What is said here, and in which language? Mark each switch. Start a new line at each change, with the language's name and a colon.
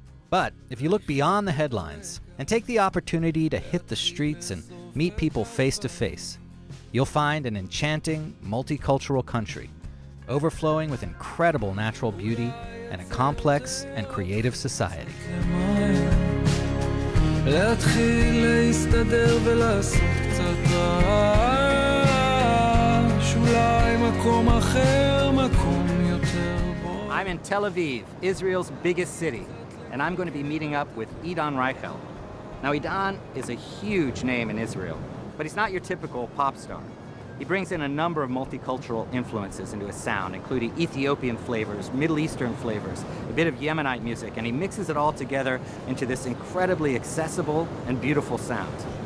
English: But if you look beyond the headlines and take the opportunity to hit the streets and meet people face to face, you'll find an enchanting, multicultural country, overflowing with incredible natural beauty and a complex and creative society.
Hebrew: להתחיל להסתדר ולעשות קצת רעש אולי מקום אחר, מקום יותר בוא
English: I'm in Tel Aviv, Israel's biggest city, and I'm going to be meeting up with Idan Reichel. Now, Idan is a huge name in Israel, but he's not your typical pop star. He brings in a number of multicultural influences into his sound, including Ethiopian flavors, Middle Eastern flavors, a bit of Yemenite music, and he mixes it all together into this incredibly accessible and beautiful sound.